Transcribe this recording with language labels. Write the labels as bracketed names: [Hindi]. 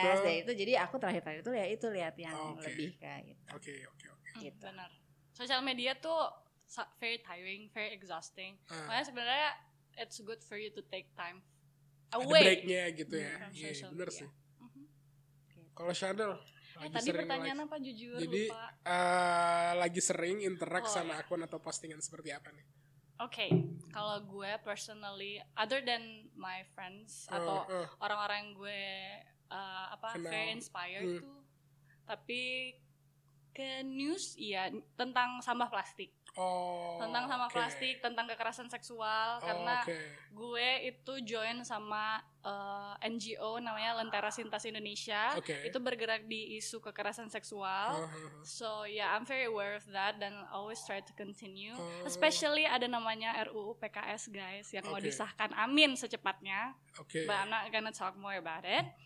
[Indonesian] dari itu jadi aku terakhir-terakhir itu ya itu lihat yang lebih kayak gitu. Oke. [English] Benar, social media tuh very tiring, very exhausting. [Indonesian] Makanya sebenarnya [English] it's good for you to take time away. [Indonesian] Ada break-nya gitu ya. Benar sih. Kalau Chanel, tadi pertanyaan apa, jujur jadi, lupa. Lagi sering interact sama akun atau postingan seperti apa nih? Okay. Kalau gue personally, [English] other than my friends [Indonesian] atau orang-orang yang gue [English] very inspired [Indonesian] tapi ke news tentang sampah plastik. Tentang sama plastik, tentang kekerasan seksual. Karena gue itu join sama NGO namanya Lentera Sintas Indonesia. Itu bergerak di isu kekerasan seksual. [English] I'm very aware of that dan always try to continue. [Indonesian] Especially ada namanya RUU PKS guys yang mau disahkan, amin, secepatnya. [English] But I'm not gonna talk more about it.